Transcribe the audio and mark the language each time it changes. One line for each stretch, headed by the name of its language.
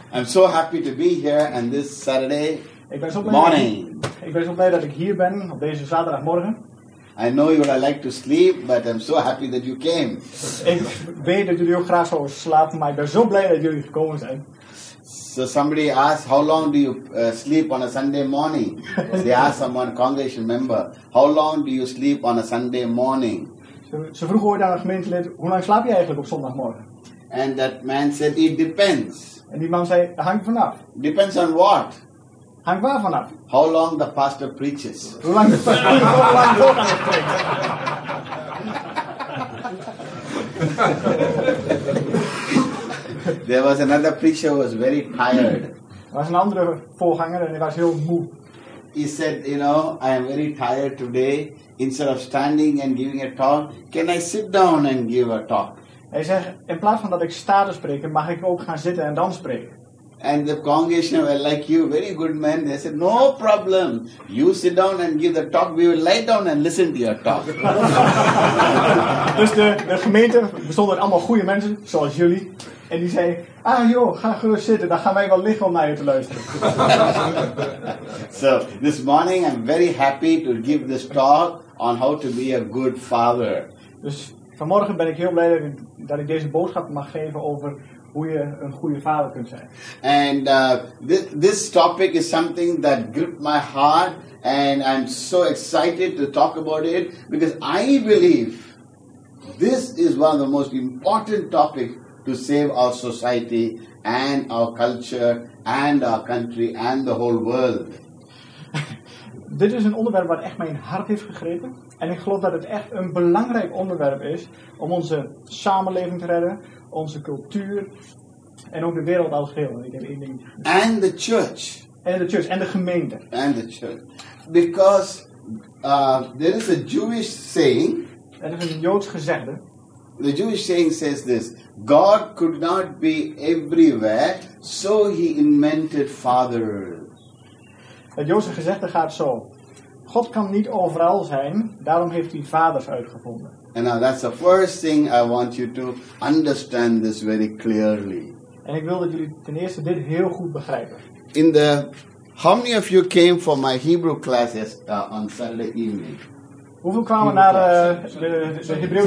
English: I'm so happy to be here on this Saturday morning.
Dutch: Ik ben zo blij dat ik hier ben op deze zaterdagmorgen.
English: I know you would like to sleep, but I'm so happy that you came.
Dutch: Ik weet dat jullie ook graag zouden slapen, maar ik ben zo blij dat jullie gekomen zijn.
English: So somebody asked, how long do you sleep on a Sunday morning? They asked someone, congregation member, how long do you sleep on a Sunday morning?
Dutch: Ze vroegen ooit aan een gemeentelid, hoe lang slaap je eigenlijk op zondagmorgen?
English: And that man said, it depends.
Dutch: En die man zei, hangt vanaf.
English: Depends on what?
Dutch: Hangt waar vanaf?
English: How long the pastor preaches.
Dutch: Hoe lang de pastor preacht.
English: There was another preacher who was very tired.
Dutch: Er was een andere voorganger en hij was heel moe.
English: He said, you know, I am very tired today. Instead of standing and giving a talk, can I sit down and give a talk?
Dutch: Hij zegt, in plaats van dat ik sta te spreken, mag ik ook gaan zitten en dan spreken.
English: And the congregation were like you, very good men. They said, no problem. You sit down and give the talk. We will lie down and listen to your talk.
Dutch: Dus de gemeente bestond uit allemaal goede mensen, zoals jullie. En die zei, ah joh, ga gerust zitten. Dan gaan wij wel liggen om naar je te luisteren.
English: So, this morning I'm very happy to give this talk on how to be a good father.
Dutch: Dus vanmorgen ben ik heel blij dat ik deze boodschap mag geven over hoe je een goede vader kunt zijn.
English: And this topic is something that gripped my heart. And I'm so excited to talk about it. Because I believe this is one of the most important topics to save our society and our culture and our country and the whole world.
Dutch: Dit is een onderwerp wat echt mijn hart heeft gegrepen. En ik geloof dat het echt een belangrijk onderwerp is om onze samenleving te redden, onze cultuur en ook de wereld als geheel. Ik heb één ding.
English: And the church. And the church.
Dutch: En de gemeente.
English: And the church. Because there is a Jewish saying.
Dutch: Er is een Joods gezegde.
English: The Jewish saying says this: God could not be everywhere, so he invented fathers.
Dutch: Het Joodse gezegde gaat zo: God kan niet overal zijn, daarom heeft hij vaders uitgevonden.
English: And now that's the first thing I want you to understand this very clearly.
Dutch: En ik wil dat jullie ten eerste dit heel goed begrijpen.
English: How many of you came for my Hebrew classes on Saturday evening?
Dutch: Hoeveel kwamen Hebrew naar de Hebreeuwse